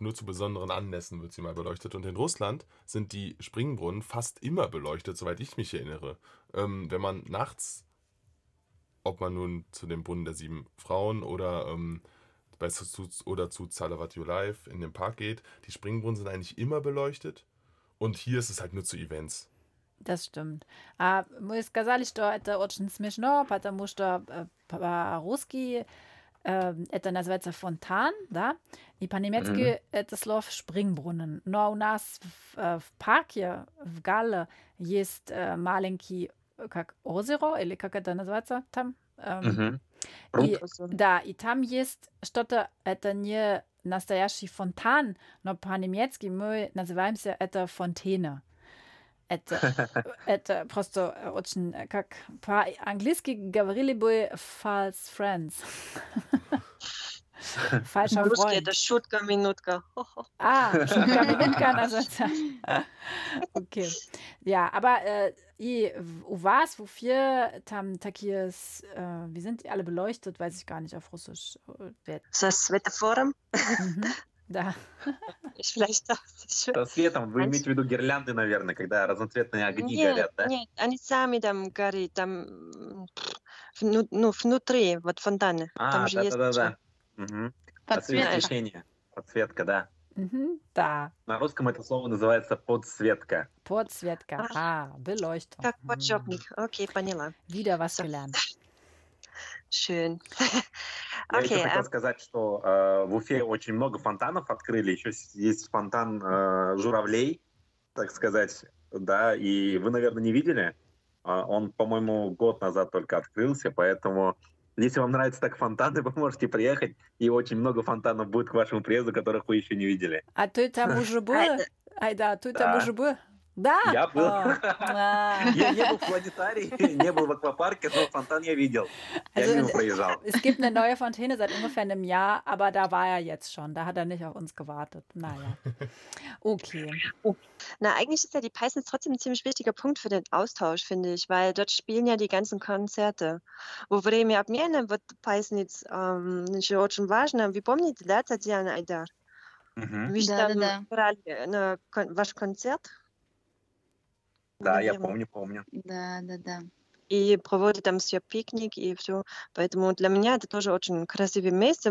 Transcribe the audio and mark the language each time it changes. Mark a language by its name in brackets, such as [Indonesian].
[German] Nur zu besonderen Anlässen wird sie mal beleuchtet. Und in Russland sind die Springbrunnen fast immer beleuchtet, soweit ich mich erinnere. Wenn man nachts, ob man nun zu dem Brunnen der sieben Frauen oder zu Tsarevat Julaev in den Park geht, die Springbrunnen sind eigentlich immer beleuchtet. Und hier ist es halt nur zu Events. Das stimmt. [Russian] Мы сказали, что это очень смешно, потому что по-русски это называется фонтан, да? И по-немецки это слово «springbrunnen». Но у нас в парке, в Галле, есть маленький, как озеро, или как это называется там? Да, и там есть что-то, это не настоящий фонтан, но по-немецки мы называемся это фонтена. Это просто очень, как по-английски говорили бы [English] «false friends». [German] Falscher Freund. Das Schutka-Minutka. Ah, Schutka-Minutka. Also, okay. Ja, aber [Russian] у вас, [German] wofür [Russian] там такие, [German] wie sind die alle beleuchtet, weiß ich gar nicht auf Russisch. [Russian] Со светофором? Да. [German] Vielleicht das. [Russian] Со светом, вы имеете в виду гирлянды, наверное, когда разноцветные огни горят, да? Нет, они сами там горят, там внутри, вот фонтаны. А, да-да-да. Подсвечение. Подсветка, да. Да. На русском это слово называется подсветка. Подсветка. А, beleuchtung. Так, подсветник. Окей, поняла. [German] Wieder was gelernt. Schön. [Russian] Я еще хотел сказать, что в Уфе очень много фонтанов открыли. Еще есть фонтан журавлей, так сказать. Да, и вы, наверное, не видели. Он, по-моему, год назад только открылся, поэтому... Если вам нравятся так фонтаны, вы можете приехать, и очень много фонтанов будет к вашему приезду, которых вы еще не видели. А ты там уже был? Айда, ты там уже был? Да? Я был. Я не был в планетарии, не был в аквапарке, но фонтан я видел. Я мимо проезжал. [German] Es gibt eine neue Fontäne seit ungefähr einem Jahr, aber da war er jetzt schon. Da hat er nicht auf uns gewartet. Naja. Okay. Na, eigentlich ist ja die Peisnitz trotzdem ein ziemlich wichtiger Punkt für den Austausch, finde ich, weil dort spielen ja die ganzen Konzerte. [Russian] Во время обмена вот Peisnitz еще очень важно. Вы помните, да, Татьяна Айдар? Вы же там играли ваш концерт? Да, я помню. Да. И проводят там все пикник и все. Поэтому для меня это тоже очень красивое место.